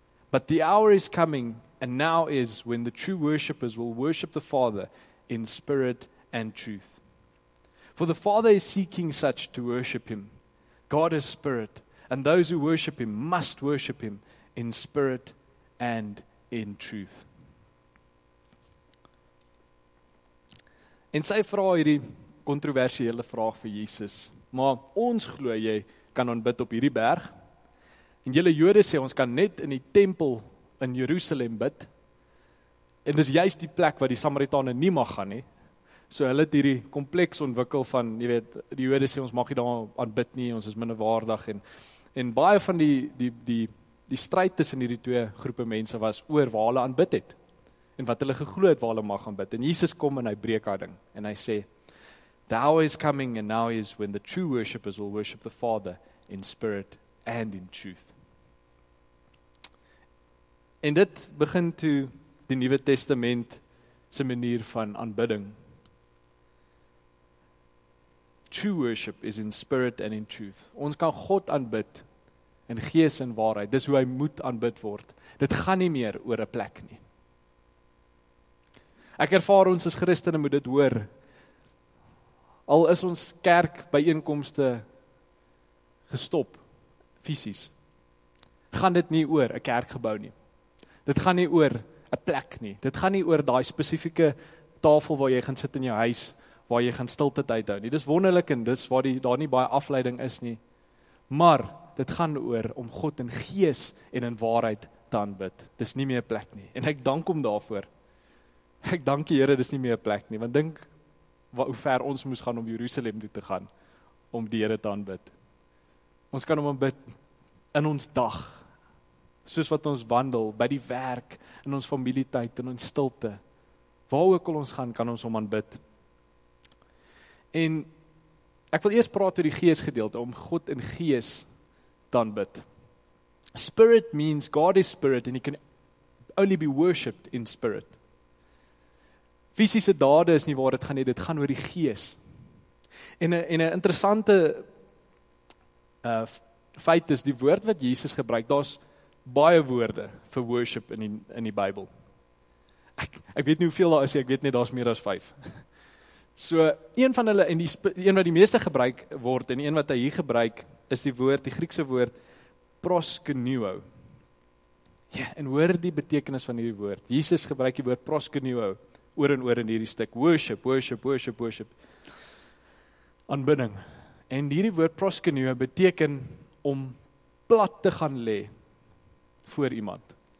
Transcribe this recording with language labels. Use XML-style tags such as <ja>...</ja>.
<en>But the hour is coming, and now is, when the true worshippers will worship the Father in spirit and truth. For the Father is seeking such to worship him. God is spirit, and those who worship him must worship him in spirit and in truth.</en> <af>En sy vra hierdie kontroversiële vraag vir Jesus. Maar ons glo jy kan aanbid op hierdie berg. En julle Jode sê ons kan net in die tempel in Jerusalem bid. En dis juist die plek waar die Samaritane nie mag gaan nie. So hulle het hierdie kompleks ontwikkel van, jy weet, die Jode sê ons mag nie daar aanbid nie, ons is minderwaardig en baie van die stryd tussen hierdie twee groepe mense was oor waar hulle aanbid het en wat hulle geglo het waar hulle mag aanbid. En Jesus kom en hy breek daai ding en hy sê,</af> <en>the hour is coming and now is when the true worshippers will worship the Father in spirit and in truth.</en> <af>En dit begin toe die Nuwe Testament se manier van aanbidding.</af> <en>True worship is in spirit and in truth.</en> <af>Ons kan God aanbid in gees en waarheid. Dis hoe hy moet aanbid word. Dit gaan nie meer oor 'n plek nie. Ek ervaar ons as Christene moet dit hoor. Al is ons kerk byeenkomste gestop fisies. Gaan dit nie oor 'n kerkgebou nie. Dit gaan nie oor 'n plek nie. Dit gaan nie oor daai spesifieke tafel waar jy gaan sit in jou huis waar jy gaan stilte tyd hou nie. Dis wonderlik en dis waar daar nie baie afleiding is nie. Maar dit gaan oor om God in gees en in waarheid te aanbid. Dis nie meer 'n plek nie. En ek dank hom daarvoor. Ek dank die Here dis nie meer 'n plek nie, want dink hoe ver ons moes gaan om Jerusalem toe te gaan om die Here te aanbid. Ons kan hom aanbid in ons dag, soos wat ons wandel, by die werk, in ons familietyd, in ons stilte. Waar ook al ons gaan, kan ons hom aanbid. En ek wil eers praat oor die gees gedeelte, om God in gees te aanbid.</af> <en>Spirit means God is spirit and he can only be worshipped in spirit.</en> <af>Fisiese dade is nie waar dit gaan nie, dit gaan oor die gees. En 'n interessante feit is die woord wat Jesus gebruik, daar's baie woorde vir worship in die Bybel. Ek weet nie hoeveel daar is nie, ek weet net daar's meer as 5. So, een van hulle, en die een wat die meeste gebruik word, en die een wat hy hier gebruik, is die woord, die Griekse woord, proskuneo. Ja, en hoor die betekenis van hierdie woord. Jesus gebruik die woord proskuneo, oor en oor in hierdie stuk.</af> <en>Worship, worship, worship, worship. Aanbidding.</en> <af>En hierdie woord proskuneo beteken om plat te gaan lê voor iemand.</af>